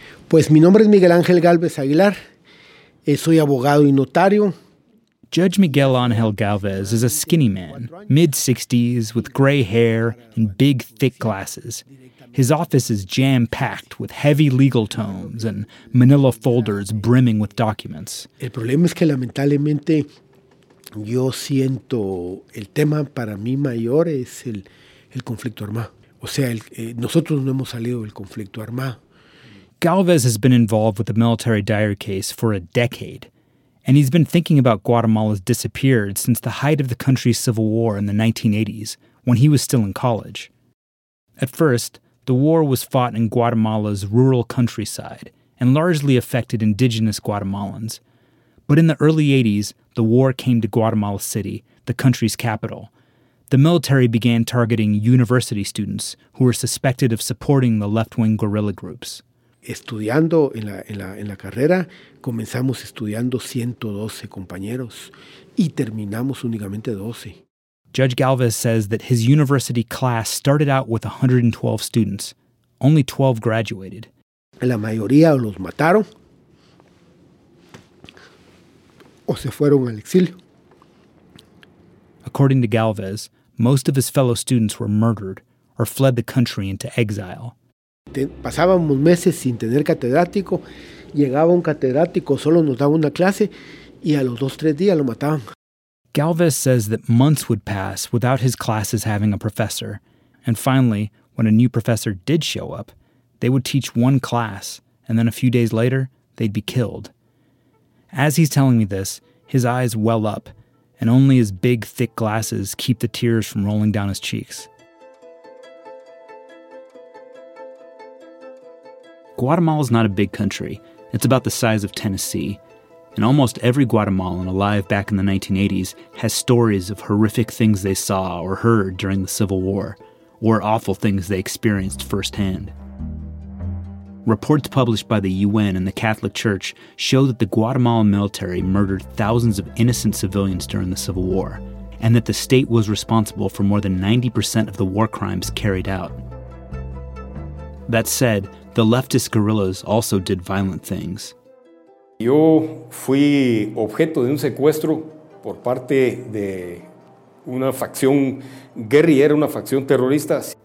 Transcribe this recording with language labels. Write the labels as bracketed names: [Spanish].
[Spanish] Pues mi nombre es Miguel Ángel Gálvez Aguilar. Soy abogado y notario. [English] Judge Miguel Ángel Gálvez is a skinny man, mid-60s, with gray hair and big, thick glasses. His office is jam-packed with heavy legal tomes and manila folders brimming with documents. [Spanish] El problema es que lamentablemente yo siento el tema para mí mayor es el conflicto armado. O sea, nosotros no hemos salido del conflicto armado. [English] Gálvez has been involved with the military diary case for a decade, and he's been thinking about Guatemala's disappeared since the height of the country's civil war in the 1980s, when he was still in college. At first, the war was fought in Guatemala's rural countryside and largely affected indigenous Guatemalans. But in the early 80s, the war came to Guatemala City, the country's capital. The military began targeting university students who were suspected of supporting the left-wing guerrilla groups. [Spanish] Estudiando en la carrera, comenzamos estudiando 112 compañeros y terminamos únicamente 12. [English] Judge Gálvez says that his university class started out with 112 students. Only 12 graduated. [Spanish] La mayoría los mataron o se fueron al exilio. [English] According to Gálvez, most of his fellow students were murdered or fled the country into exile. [Spanish] Pasábamos meses sin tener catedrático. Llegaba un catedrático, solo nos daba una clase y a los dos, tres días lo mataban. [English] Gálvez says that months would pass without his classes having a professor. And finally, when a new professor did show up, they would teach one class, and then a few days later, they'd be killed. As he's telling me this, his eyes well up, and only his big, thick glasses keep the tears from rolling down his cheeks. Guatemala's not a big country. It's about the size of Tennessee. And almost every Guatemalan alive back in the 1980s has stories of horrific things they saw or heard during the Civil War, or awful things they experienced firsthand. Reports published by the UN and the Catholic Church show that the Guatemalan military murdered thousands of innocent civilians during the Civil War, and that the state was responsible for more than 90% of the war crimes carried out. That said, the leftist guerrillas also did violent things. [Spanish] Yo fui objeto de un secuestro por parte de una facción guerrillera, una facción terrorista.